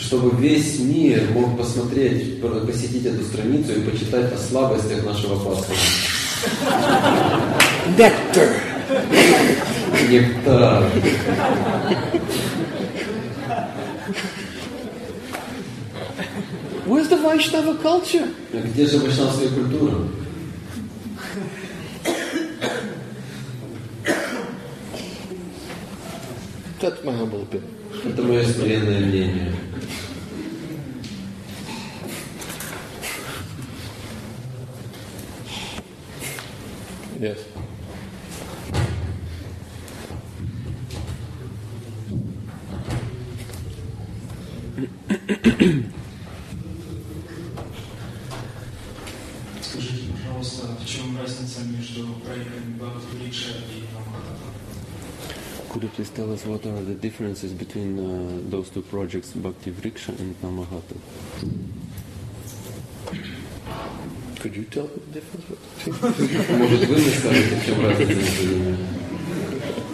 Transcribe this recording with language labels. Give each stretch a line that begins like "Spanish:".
Russian: Чтобы весь мир мог посмотреть, посетить эту страницу и почитать о слабостях нашего пастора.
English: Nectar.
Russian: Нектар.
English: Where's the Vaishnava culture?
Russian: Где же вайшнавская культура?
English: That's my humble opinion.
Russian: Это мое смиренное мнение.
English: Yes.
Russian: Скажите, пожалуйста, в чем разница между проектами Бхагавад Гита и Намахата?
English: Could you please tell us what are the differences between those two projects, Bhakti Vriksha and Namahata? Could you tell the difference?
Russian: Может, вы мне скажете, в чем разница между ними?